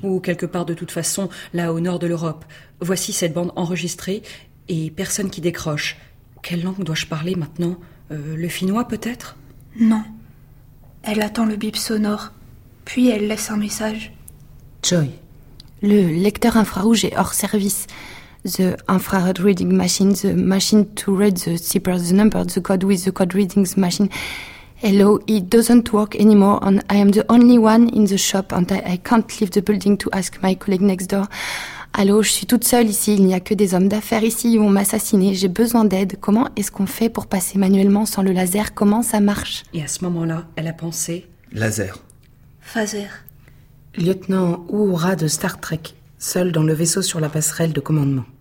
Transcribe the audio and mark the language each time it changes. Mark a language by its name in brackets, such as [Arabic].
[French] Ou quelque part de toute façon, là au nord de l'Europe. Voici cette bande enregistrée et personne qui décroche. Quelle langue dois-je parler maintenant? Le finnois peut-être? Non. Elle attend le bip sonore. Puis elle laisse un message. Joy. Le lecteur infrarouge est hors service. [English] The infrared reading machine, the machine to read the zipper, the number, the code with the code reading machine. Hello, it doesn't work anymore and I am the only one in the shop and I can't leave the building to ask my colleague next door. [French] Allô, je suis toute seule ici, il n'y a que des hommes d'affaires ici, ils vont m'assassiner, j'ai besoin d'aide. Comment est-ce qu'on fait pour passer manuellement sans le laser? Comment ça marche? Et à ce moment-là, elle a pensé... Laser. Phaser. Lieutenant Uhura de Star Trek. Seul dans le vaisseau sur la passerelle de commandement.